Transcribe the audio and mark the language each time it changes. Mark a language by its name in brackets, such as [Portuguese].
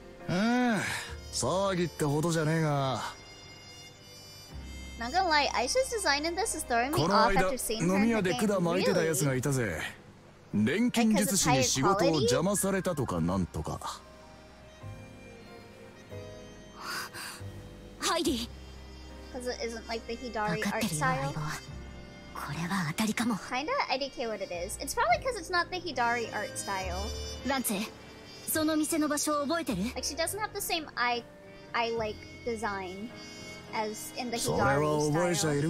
[Japanese] うん、騒ぎってほどじゃねえが. [English] Not gonna lie, Aisha's design in this is throwing me off after seeing her in the game. Really? Because of high quality? [Japanese] ]邪魔されたとかなんとか. [English] Because it isn't like the Hidari art style. Kinda IDK what it is. It's probably because it's not the Hidari art style. Like she doesn't have the same eye-like design as in the Hidari style.